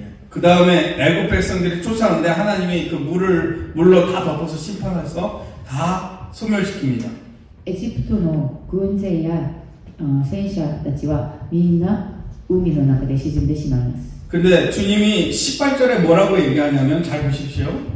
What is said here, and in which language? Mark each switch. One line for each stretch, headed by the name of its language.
Korean: 그 다음에 애굽 백성들이 쫓아오는데 하나님이 그 물을 물로 다 덮어서 심판해서 다 소멸시킵니다.
Japanese: エジプトの軍勢や戦車たちはみんな海の中で沈んでしまいます。
Korean: 근데 주님이 18절에 뭐라고 얘기하냐면 잘 보십시오.